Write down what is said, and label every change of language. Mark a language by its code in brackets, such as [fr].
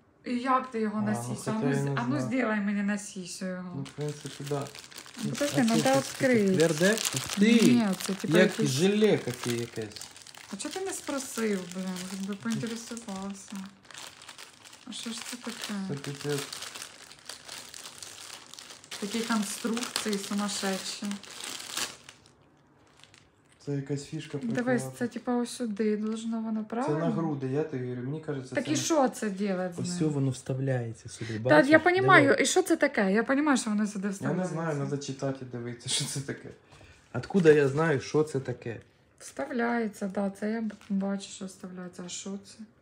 [uk] І як ти його на сісю? Ану, зділай мені на сісю його. Ну, в принципі, так. Таке, ну та відкрий. Тверде? Ти? Ні, це типу якийсь... Желе який якесь. А чого ти не спросив, блін, щоб би поінтересувався? А що ж це таке? Це пітець. [ru] Такие конструкции сумасшедшие. [uk] Це якась фішка. Давай, це типа ось сюди должно воно, правильно? Це на груди, я тобі говорю, мені кажеться. Так і що це робить? Ось цю воно вставляється сюди, бачиш? Так, я розумію, і що це таке? Я розумію, що воно сюди вставляється. Я не знаю, треба читати, дивитися, що це таке. [ru] Откуда я знаю, [uk] що це таке? Вставляється, так, це я бачу, що вставляється. А що це?